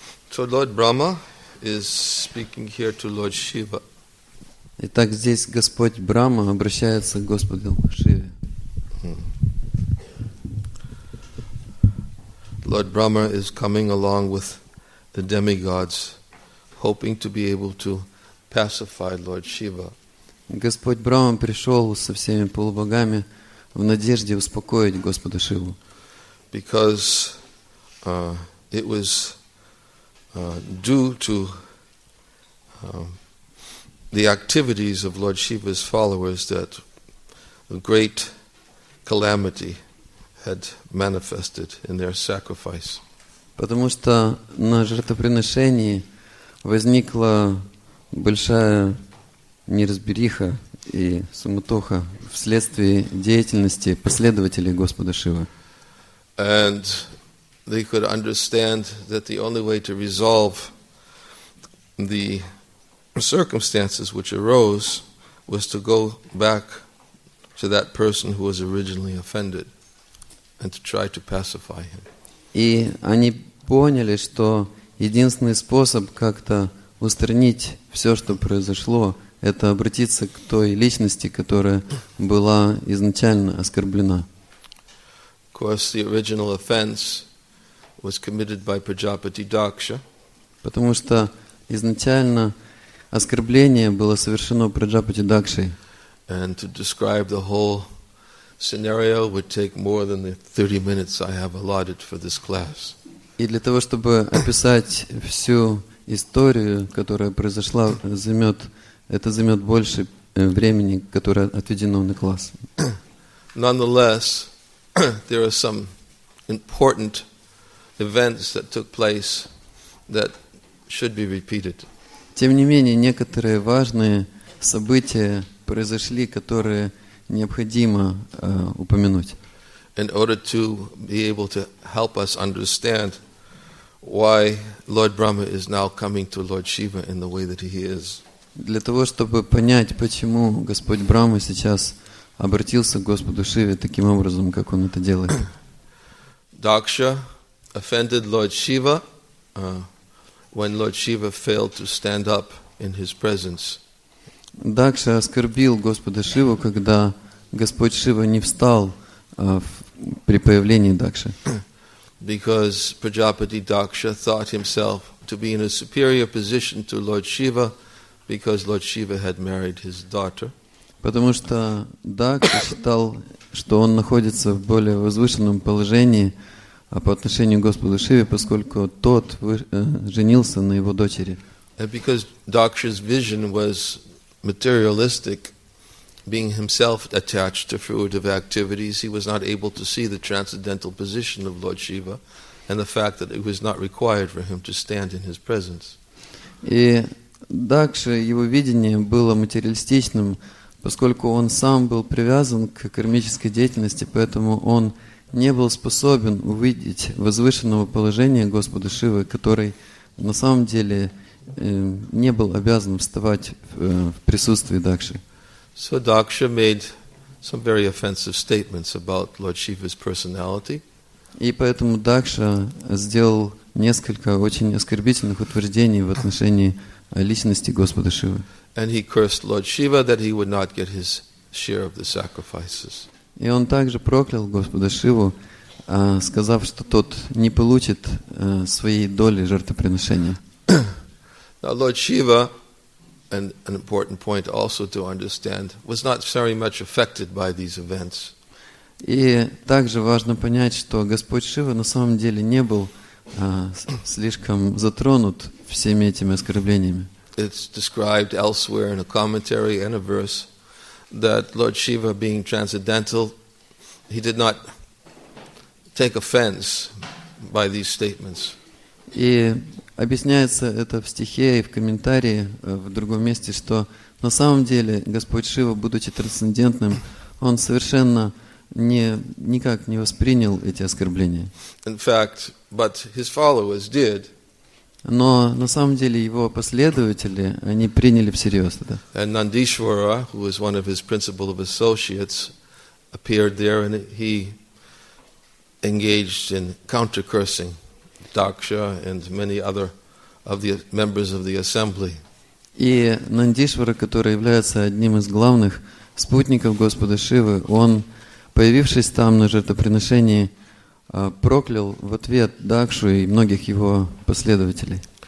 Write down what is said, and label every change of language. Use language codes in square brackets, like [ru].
[en] So Lord Brahma is speaking here to Lord Shiva. [ru] Итак, здесь Господь Брама обращается к Господу Шиве. [en] Lord Brahma is coming along with the demigods, hoping to be able to pacify Lord Shiva. [ru] Господь Брама пришел со всеми полубогами в надежде успокоить Господа Шиву. [en] Because it was due to the activities of Lord Shiva's followers that a great calamity had manifested in their sacrifice. [ru] Потому что на жертвоприношении возникла большая неразбериха и суматоха вследствие деятельности последователей Господа Шивы. [en] And they could understand that the only way to resolve the circumstances which arose was to go back to that person who was originally offended. And to try to pacify him. [ru] И они поняли, что единственный способ как-то устранить все, что произошло, это обратиться к той личности, которая была изначально оскорблена. [en] Of course, the original offense was committed by Prajapati Daksha. [ru] Потому что изначально оскорбление было совершено Праджапати Дакшей. [en] And to describe the whole scenario would take more than the 30 minutes I have allotted for this class. [ru] И для того, чтобы описать всю историю, которая произошла, займет больше времени, которое отведено на класс. [en] Nonetheless, there are some important events that took place that should be repeated. [ru] Тем не менее, некоторые важные события произошли, которые необходимо упомянуть. [en] In order to be able to help us understand why Lord Brahma is now coming to Lord Shiva in the way that he is. [ru] Для того, чтобы понять, почему Господь Брама сейчас обратился к Господу Шиве таким образом, как он это делает. [en] Daksha offended Lord Shiva when Lord Shiva failed to stand up in his presence. [ru] Дакша оскорбил Господа Шиву, когда Господь Шива не встал при появлении Дакши. [en] Because Prajapati Daksha thought himself to be in a superior position to Lord Shiva, because Lord Shiva had married his daughter. [ru] Потому что Дакша считал, что он находится в более возвышенном положении по отношению к Господу Шиве, поскольку тот женился на его дочери. [en] And because Daksha's vision was materialistic, being himself attached to fruitive activities, he was not able to see the transcendental position of Lord Shiva and the fact that it was not required for him to stand in his presence. [ru] И Дакша, его видение было материалистичным, поскольку он сам был привязан к кармической деятельности, поэтому он не был способен увидеть возвышенного положения Господа Шивы, который на самом деле не был обязан вставать в присутствии Дакши. [en] So Daksha made some very offensive statements about Lord Shiva's personality. [ru] И поэтому Дакша сделал несколько очень оскорбительных утверждений в отношении личности Господа Шивы. [en] And he cursed Lord Shiva that he would not get his share of the sacrifices. [ru] И он также проклял Господа Шиву, сказав, что тот не получит своей доли жертвоприношения. [en] Now Lord Shiva, and an important point also to understand, was not very much affected by these events. [ru] И также важно понять, что Господь Шива на самом деле не был слишком затронут всеми этими оскорблениями. [en] it's described elsewhere in a commentary and a verse that Lord Shiva, being transcendental, he did not take offense by these statements. [ru] И объясняется это в стихе и в комментарии в другом месте, что на самом деле Господь Шива, будучи трансцендентным, он совершенно никак не воспринял эти оскорбления. [en] In fact, but his followers did. [ru] Но на самом деле его последователи, они приняли всерьез это. [en] And Nandishwara, who was one of his principal associates, appeared there and he engaged in counter-cursing Daksha and many other of the members of the assembly. [ru] И Нандишвара, который является одним из главных спутников Господа Шивы, он, появившись там на жертвоприношении, проклял в ответ Дакшу и многих его последователей.